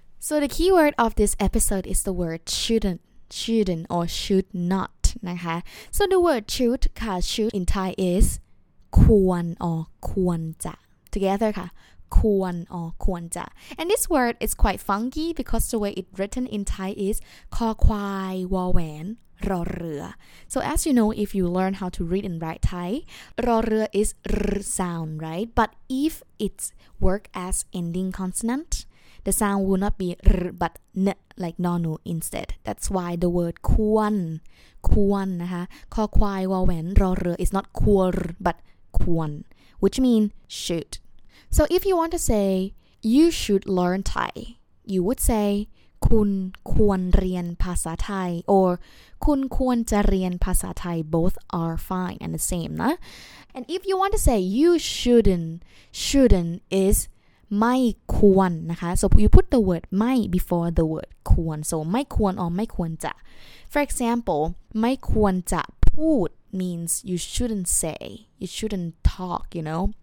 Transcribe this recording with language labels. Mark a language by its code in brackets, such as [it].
[en] So the keyword of this episode is the word shouldn't or should not, นะคะ So the word should ค่ะ should in Thai is ควร or ควรจะ together ค่ะควร or ควรจะ And this word is quite funky because the way it's written in Thai is คอควายวอแหวนรอเรือ So as you know, if you learn how to read and write Thai, รอเรือ is r sound, right? But if it's work as ending consonant, the sound will not be r but n like no no instead. That's why the word ควรนะคะคอควายวอแหวนรอเรือ is not ควร but ควร which mean should. So if you want to say you should learn Thai, you would say. [th] คุณควรเรียนภาษาไทย [en] or [th] คุณควรจะเรียนภาษาไทย [en] both are fine and the same นะ and if you want to say you shouldn't is ไม่ควรนะคะ so you put the word ไม่ before the word ควร so ไม่ควร or ไม่ควรจะ for example [th] ไม่ควรจะพูด [en] means you shouldn't say you shouldn't talk you know